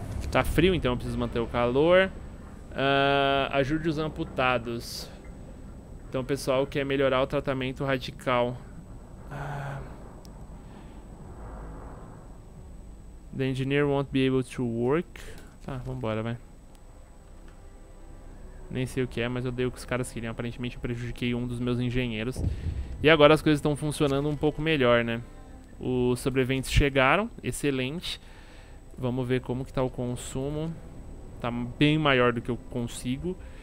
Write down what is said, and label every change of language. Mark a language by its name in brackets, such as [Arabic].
[Portuguese] Tá frio, então eu preciso manter o calor. Ajude os amputados. Então o pessoal quer melhorar o tratamento radical. [English] The engineer won't be able to work. [Portuguese] Tá, vambora, vai. Nem sei o que é, mas eu dei o que os caras queriam. Aparentemente eu prejudiquei um dos meus engenheiros. E agora as coisas estão funcionando um pouco melhor, né? Os sobreviventes chegaram, excelente. Vamos ver como que tá o consumo. Tá bem maior do que eu consigo.